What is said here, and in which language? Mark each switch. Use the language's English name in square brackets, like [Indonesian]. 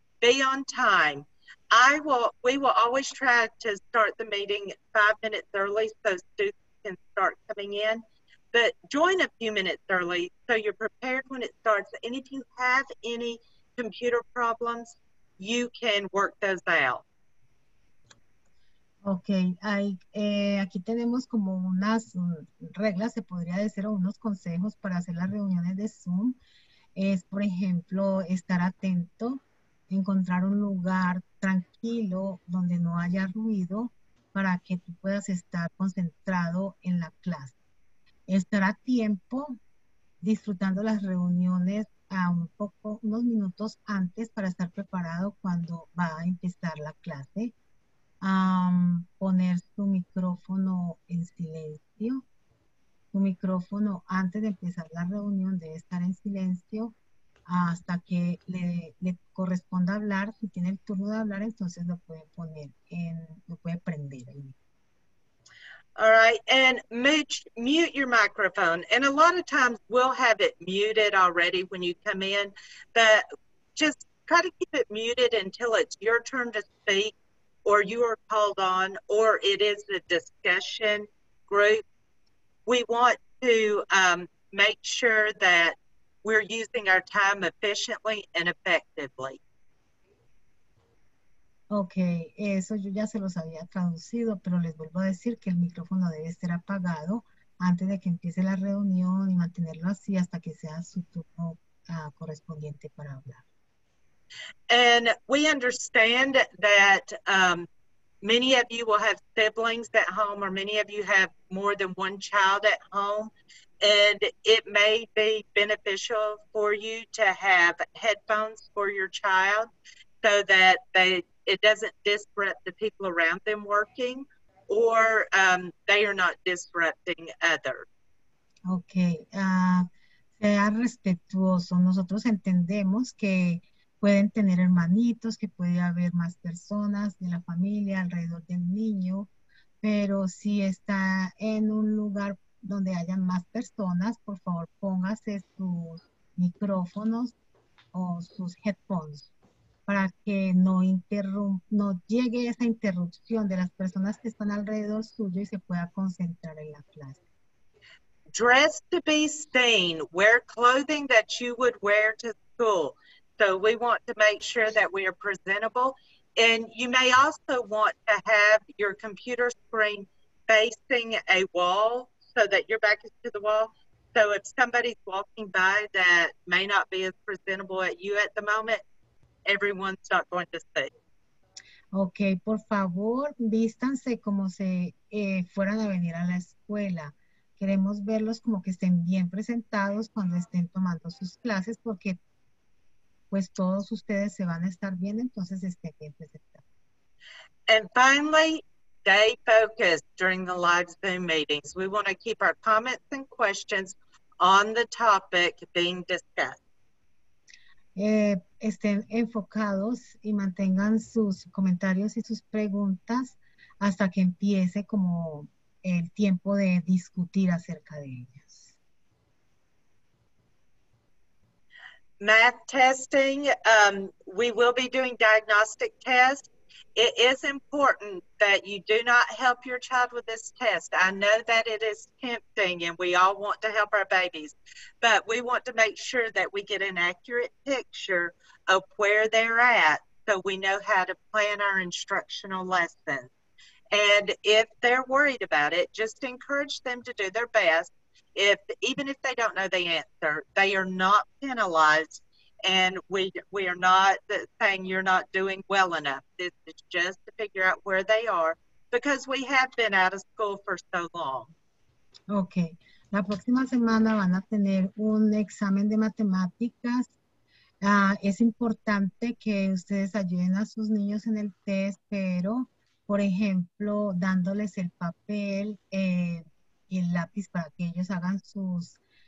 [English] Be on time. We will always try to start the meeting 5 minutes early so students can start coming in, but join a few minutes early so you're prepared when it starts. And if you have any computer problems, you can work those out. [Spanish] Ok, aquí tenemos como unas reglas, se podría decir, o unos consejos para hacer las reuniones de Zoom. Es, por ejemplo, estar atento, encontrar un lugar tranquilo donde no haya ruido para que tú puedas estar concentrado en la clase. Estar a tiempo, disfrutando las reuniones a un poco, unos minutos antes para estar preparado cuando va a empezar la clase. Poner su micrófono en silencio. Su micrófono antes de empezar la reunión debe estar en silencio hasta que le corresponda hablar. Si tiene el turno de hablar, entonces lo puede poner en, lo puede prender ahí. [English] All right, and mute your microphone. And a lot of times we'll have it muted already when you come in, but just try to keep it muted until it's your turn to speak or you are called on or it is a discussion group. We want to make sure that we're using our time efficiently and effectively. [Spanish] Okay, eso yo ya se los había traducido, pero les vuelvo a decir que el micrófono debe ser apagado antes de que empiece la reunión y mantenerlo así hasta que sea su turno correspondiente para hablar. [English] And we understand that many of you will have siblings at home or many of you have more than one child at home, and it may be beneficial for you to have headphones for your child so that they it doesn't disrupt the people around them working, or they are not disrupting others. [Spanish] Okay, sea respetuoso. Nosotros entendemos que pueden tener hermanitos, que puede haber más personas de la familia alrededor del niño, pero si está en un lugar donde hayan más personas, por favor, póngase sus micrófonos o sus headphones. Para que no llegue esa interrupción de las personas que están alrededor suyo y se pueda concentrar en la clase. [English] Dress to be seen. Wear clothing that you would wear to school. So we want to make sure that we are presentable. And you may also want to have your computer screen facing a wall so that your back is to the wall. So if somebody's walking by that may not be as presentable at you at the moment, everyone's not going to say. [Spanish] Okay, por favor, vístanse como si fueran a venir a la escuela. Queremos verlos como que estén bien presentados cuando estén tomando sus clases porque pues todos ustedes se van a estar bien, entonces estén bien presentados. [English] And finally, stay focused during the live Zoom meetings. We want to keep our comments and questions on the topic being discussed. [Spanish] Estén enfocados y mantengan sus comentarios y sus preguntas hasta que empiece como el tiempo de discutir acerca de ellas. [English] Math testing, we will be doing diagnostic tests. It is important that you do not help your child with this test. I know that it is tempting and we all want to help our babies, but we want to make sure that we get an accurate picture of where they're at so we know how to plan our instructional lessons. And if they're worried about it, just encourage them to do their best. Even if they don't know the answer, they are not penalized. And we are not saying you're not doing well enough. This is just to figure out where they are because we have been out of school for so long. Okay. [Spanish] La próxima semana van a tener un examen de matemáticas. Es importante que ustedes ayuden a sus niños en el test, pero, por ejemplo, dándoles el papel y el lápiz para que ellos hagan sus